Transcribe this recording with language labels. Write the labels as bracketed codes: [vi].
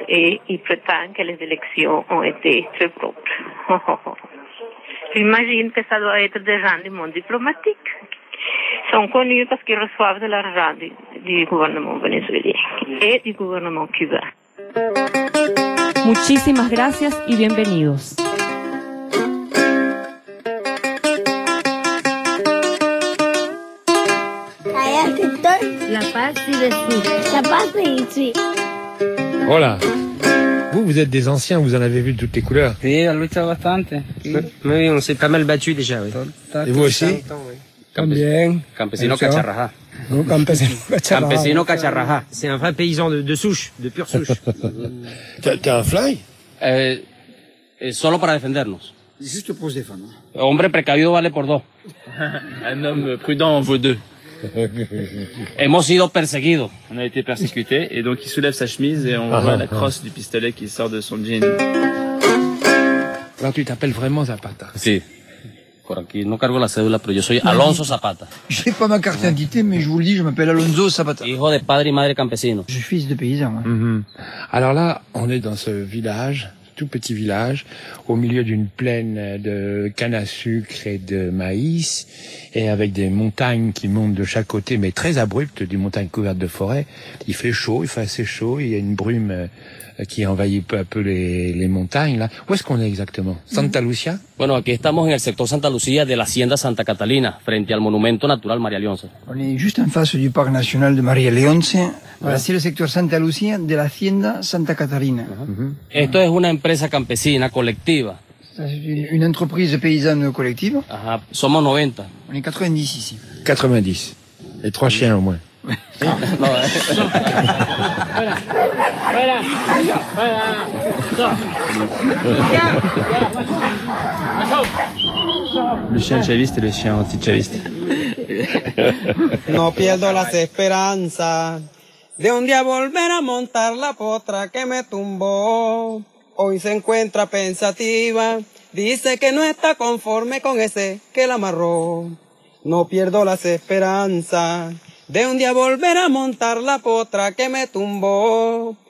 [fr] Et il prétend que les élections ont été très propres. J'imagine que ça doit être des gens du monde diplomatique. Ils sont connus parce qu'ils reçoivent de l'argent du gouvernement vénézuélien et du gouvernement cubain. [es] Muchísimas gracias y bienvenidos. La paz y decir. La paz y decir. Hola. [fr] Vous êtes des anciens, vous en avez vu de toutes les couleurs. Oui, on a lutté bastante. Oui. Oui, on s'est pas mal battu déjà, oui. Et vous aussi? Combien? [es] Campesino Cacharraja. Campesino Cacharraja. [fr] C'est un vrai paysan de souche, de pure souche. T'es un fly? [es] Solo para defendernos. [fr] Juste pour se défendre. [es] Hombre precavido vale por dos. [fr] Un homme prudent vaut deux. [es] Hemos sido perseguidos. [fr] On a été persécuté et donc il soulève sa chemise et on voit la crosse du pistolet qui sort de son jean. Alors tu t'appelles vraiment Zapata? [es] Si. Por aquí no cargo la cédula, pero yo soy Alonso Zapata. [fr] J'ai pas ma carte d'identité, mais je vous le dis, je m'appelle Alonso Zapata. [es] Hijo de padre y madre campesino. [fr] Je suis fils de paysan. Ouais. Mm-hmm. Alors là, on est dans ce village, tout petit village, au milieu d'une plaine de canne à sucre et de maïs, et avec des montagnes qui montent de chaque côté, mais très abruptes, des montagnes couvertes de forêts. Il fait chaud, il fait assez chaud, il y a une brume qui envahit peu à peu les montagnes, là. Où est-ce qu'on est exactement? [es] Santa Lucia? Bueno, aquí estamos en el sector Santa Lucía de la Hacienda Santa Catalina, frente al Monumento Natural María Leonce. [fr] On est juste en face du Parc National de María Leonce. Voilà, c'est le secteur Santa Lucía de la Hacienda Santa Catalina. Uh-huh. [es] Esto es una empresa campesina colectiva. [fr] C'est une entreprise paysanne collective. [es] Ajá. Somos 90. [fr] On est 90 ici. 90. Et trois chiens au moins. Le chien chaviste et le chien anti-chaviste. [es] No pierdo las esperanzas de un día volver a montar la potra que me tumbó. Hoy se encuentra pensativa, dice que no está conforme con ese que la amarró. No pierdo las esperanzas de un día volver a montar la potra que me tumbó.